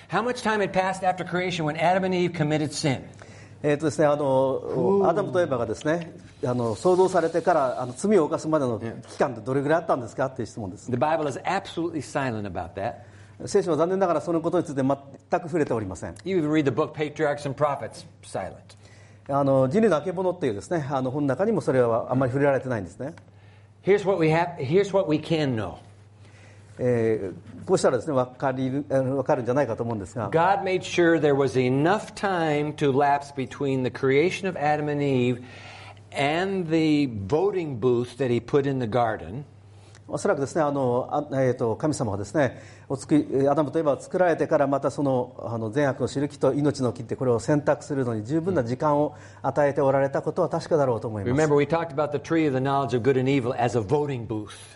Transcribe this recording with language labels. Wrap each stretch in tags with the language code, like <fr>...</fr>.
<en>How much time had passed after creation when Adam and Eve committed sin?</en> <ja>ですね、アダムとエバがですね、創造されてから罪を犯すまでの期間ってどれぐらいあったんですかっていう質問です。</ja> <en>The Bible is absolutely silent about that.</en> <ja>聖書は残念ながらそのことについて全く触れておりません。</ja> <en>You even read the book Patriarchs and Prophets, silent.</en> <ja>人類のあけぼのっていうですね、本の中にもそれはあまり触れられてないんですね。</ja> <en>Here's what we can know.</en> <ja>こうしたらですね、分かるんじゃないかと思うんですが。</ja> <en>God made sure there was enough time to lapse between the creation of Adam and Eve and the voting booth that he put in the garden.</en> <ja>おそらくですね、神様がですね、アダムとエバを作られてからまたその、善悪を知る木と命の木ってこれを選択するのに十分な時間を与えておられたことは確かだろうと思います。</ja> <en>Remember, we talked about the tree of the knowledge of good and evil as a voting booth.</en>